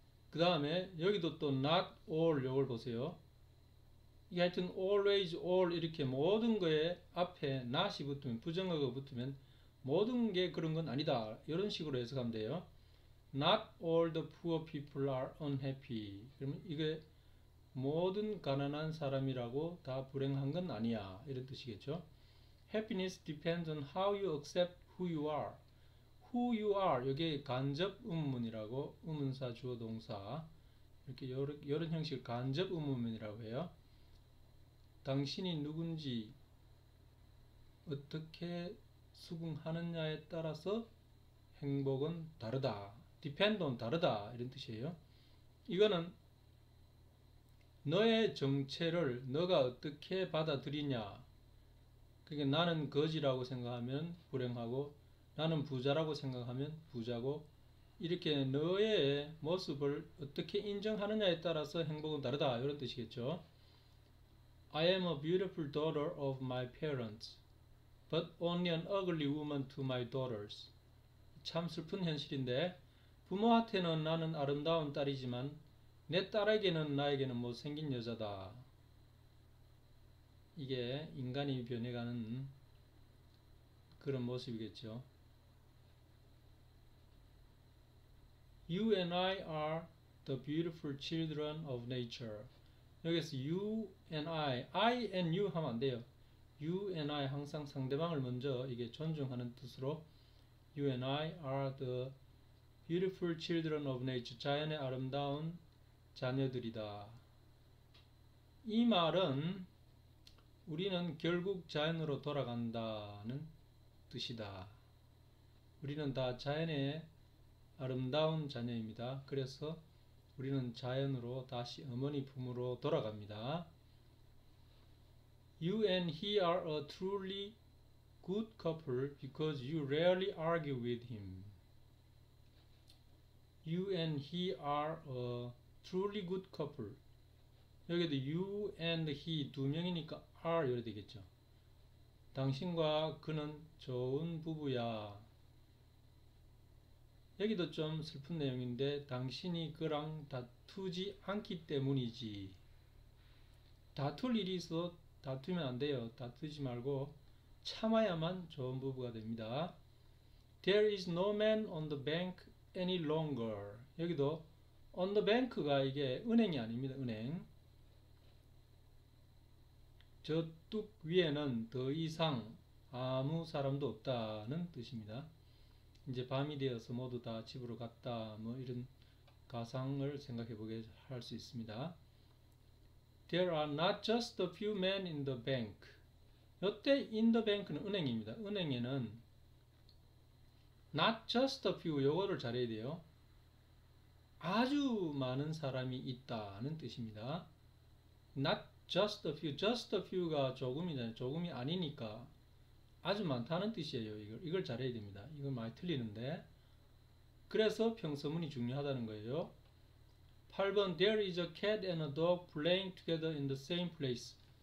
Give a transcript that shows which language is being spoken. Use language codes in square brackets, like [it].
[ko] 그 다음에 여기도 또 [en] not all [ko] 이걸 보세요. 이게 하여튼 [en] always all [ko] 이렇게 모든 거에 앞에 not이 붙으면 부정어가 붙으면 모든 게 그런 건 아니다. 이런 식으로 해석하면 돼요. [en] Not all the poor people are unhappy. [ko] 그러면 이게 모든 가난한 사람이라고 다 불행한 건 아니야. 이런 뜻이겠죠. [en] Happiness depends on how you accept who you are. Who you are, [ko] 여기에 간접 의문문이라고, 의문사, 주어, 동사. 이렇게 이런 형식을 간접 의문문이라고 해요. 당신이 누군지, 어떻게 수긍하느냐에 따라서 행복은 다르다. [en] Depend on [ko] 다르다. 이런 뜻이에요. 이거는 너의 정체를 너가 어떻게 받아들이냐. 그게 나는 거지라고 생각하면 불행하고, 나는 부자라고 생각하면 부자고, 이렇게 너의 모습을 어떻게 인정하느냐에 따라서 행복은 다르다. 이런 뜻이겠죠. [en] I am a beautiful daughter of my parents, but only an ugly woman to my daughters. [ko] 참 슬픈 현실인데, 부모한테는 나는 아름다운 딸이지만, 내 딸에게는 나에게는 못생긴 여자다. 이게 인간이 변해가는 그런 모습이겠죠. [en] You and I are the beautiful children of nature. [ko] 여기서 [en] you and I and you [ko] 하면 안 돼요. [en] You and I [ko] 항상 상대방을 먼저 이게 존중하는 뜻으로 [en] You and I are the beautiful children of nature. [ko] 자연의 아름다운 자녀들이다. 이 말은 우리는 결국 자연으로 돌아간다는 뜻이다. 우리는 다 자연의 아름다운 자녀입니다. 그래서 우리는 자연으로 다시 어머니 품으로 돌아갑니다. [en] You and he are a truly good couple because you rarely argue with him. You and he are a truly good couple. [ko] 여기도 [en] you and he [ko] 두 명이니까 are 이래 되겠죠. 당신과 그는 좋은 부부야. 여기도 좀 슬픈 내용인데, 당신이 그랑 다투지 않기 때문이지. 다툴 일이 있어 다투면 안 돼요. 다투지 말고 참아야만 좋은 부부가 됩니다. [en] There is no man on the bank any longer. [ko] 여기도 [en] on the bank [ko] 가 이게 은행이 아닙니다. 은행. 저뚝 위에는 더 이상 아무 사람도 없다는 뜻입니다. 이제 밤이 되어서 모두 다 집으로 갔다. 뭐 이런 가상을 생각해 보게 할수 있습니다. [en] There are not just a few men in the bank. [ko] 이때 [en] in the bank [ko] 는 은행입니다. 은행에는 [en] not just a few [ko] 요거를 잘해야 돼요. 아주 많은 사람이 있다는 뜻입니다. [en] Not just a few. Just a few가 조금이잖아요. [ko] 조금이 아니니까 아주 많다는 뜻이에요. 이걸 잘해야 됩니다. 이건 많이 틀리는데. 그래서 평소문이 중요하다는 거예요. 8번. [en] There is a cat and a dog playing together in the same place.